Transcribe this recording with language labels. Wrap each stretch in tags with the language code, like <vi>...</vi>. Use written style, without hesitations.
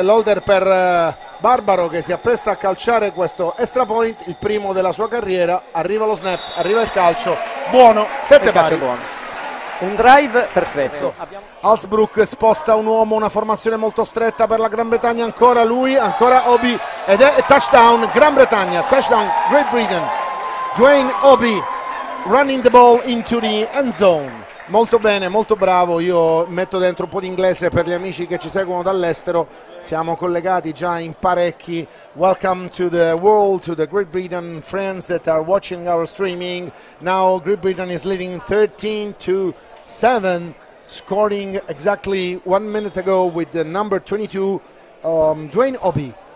<it>loader per Barbaro che si appresta a calciare questo extra point, il primo della sua carriera. Arriva lo snap, arriva il calcio, buono, Il 7 calcio è buono. Un drive perfetto. Alsbrook sposta un uomo, una formazione molto stretta per la Gran Bretagna, ancora lui, ancora Obi, ed è touchdown Gran Bretagna,</it> <en>touchdown Great Britain. Dwayne Obi running the ball into the end zone.</en> <it>Molto bene, molto bravo. Io metto dentro un po' di inglese per gli amici che ci seguono dall'estero. Siamo collegati già in parecchi.</it> <en>Welcome to the world, to the Great Britain friends that are watching our streaming. Now Great Britain is leading 13 to 7, scoring exactly 1 minute ago with the number 22, Dwayne Obi.</en>